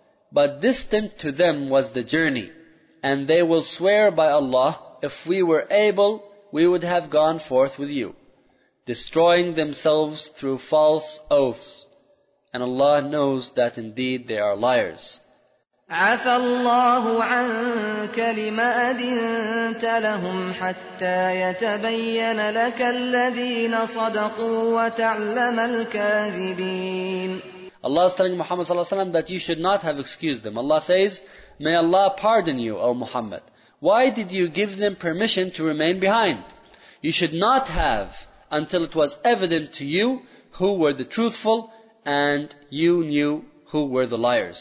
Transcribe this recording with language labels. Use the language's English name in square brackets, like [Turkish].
[English] But distant to them was the journey, and they will swear by Allah, if we were able, we would have gone forth with you, destroying themselves through false oaths. And Allah knows that indeed they are liars. [Arabic] عفى الله عنك لما أذنت لهم حتى يتبين لك الذين صدقوا وتعلم الكاذبين [English] Allah is telling Muhammad sallallahu alaihi wasallam that you should not have excused them. Allah says, May Allah pardon you, O Muhammad. Why did you give them permission to remain behind? You should not have until it was evident to you who were the truthful and you knew who were the liars.